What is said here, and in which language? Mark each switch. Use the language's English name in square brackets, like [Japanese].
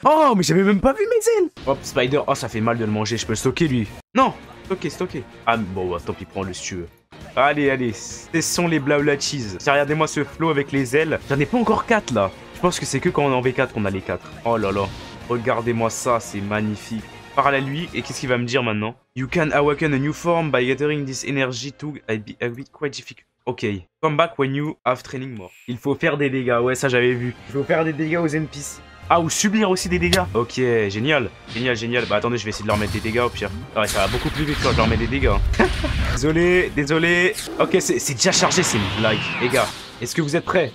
[French] Oh mais j'avais même pas vu mes ailes! Hop Spider, oh ça fait mal de le manger, je peux le stocker lui. Non! Stocker. Ah bon bah, tant pis, prends le si tu veux. Allez, ce sont les blabla cheese. Tiens, regardez-moi ce flow avec les ailes. J'en ai pas encore 4 là. Je pense que c'est que quand on est en V4 qu'on a les 4. Oh là là. Regardez-moi ça, c'est magnifique. Parle à lui et qu'est-ce qu'il va me dire maintenant? [English] You can awaken a new form by gathering this energy to be quite difficult. Ok, come back when you have training more. [French] Il faut faire des dégâts, ouais ça j'avais vu. Il faut faire des dégâts aux NPC. Ah, ou subir aussi des dégâts. Ok, génial. Génial. Bah attendez, je vais essayer de leur mettre des dégâts au pire. Ouais, ça va beaucoup plus vite quand je leur mets des dégâts. désolé. Ok, c'est déjà chargé, c'est une blague. Les gars, est-ce que vous êtes prêts?